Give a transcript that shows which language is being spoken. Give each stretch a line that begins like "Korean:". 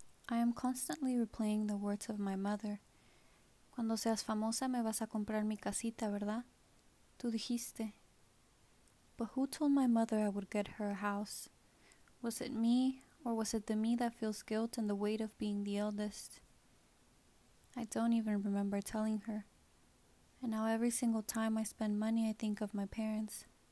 English: I am constantly replaying the words of my mother.
Spanish: Cuando seas famosa, me vas a comprar mi casita, ¿verdad? Tú dijiste.
English: But who told my mother I would get her a house? Was it me, or was it the me that feels guilt and the weight of being the eldest? I don't even remember telling her. And now every single time I spend money, I think of my parents.